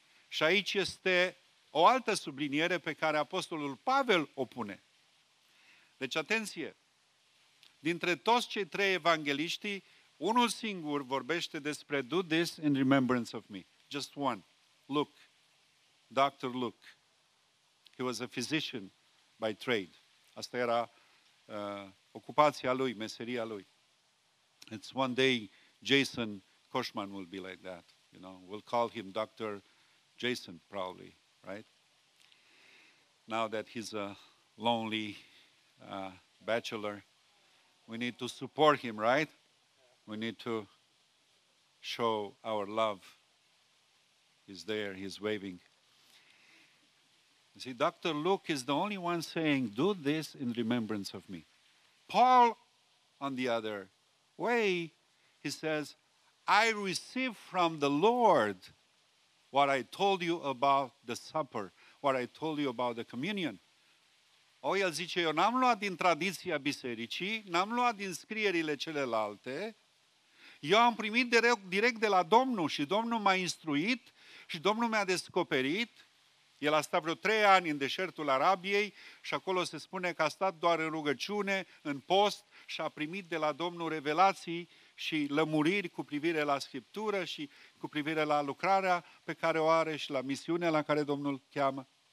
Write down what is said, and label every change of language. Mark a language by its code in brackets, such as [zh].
[ro] Și aici este o altă subliniere pe care Apostolul Pavel o pune. Deci, atenție! Dintre toți cei trei evangheliști, unul singur vorbește despre [en] do this in remembrance of me. Just one. Luke. Dr. Luke. He was a physician by trade. [ro] Asta era ocupația lui, meseria lui. [en] It's one day Jason Koshman will be like that. You know, we'll call him Dr. Jason, probably, right? Now that he's a lonely bachelor, we need to support him, right? We need to show our love. He's there, he's waving. You see, Dr. Luke is the only one saying, do this in remembrance of me. Paul, on the other way, he says, I receive from the Lord what I told you about the supper, what I told you about the communion. [ro] O, el zice, eu n-am luat din tradiția bisericii, n-am luat din scrierile celelalte, eu am primit direct de la Domnul și Domnul m-a instruit și Domnul mi-a descoperit. El a stat vreo 3 ani în deșertul Arabiei și acolo se spune că a stat doar în rugăciune, în post și a primit de la Domnul revelații și lămuriri cu privire la Scriptură și cu privire la lucrarea pe care o are și la misiunea la care Domnul cheamă.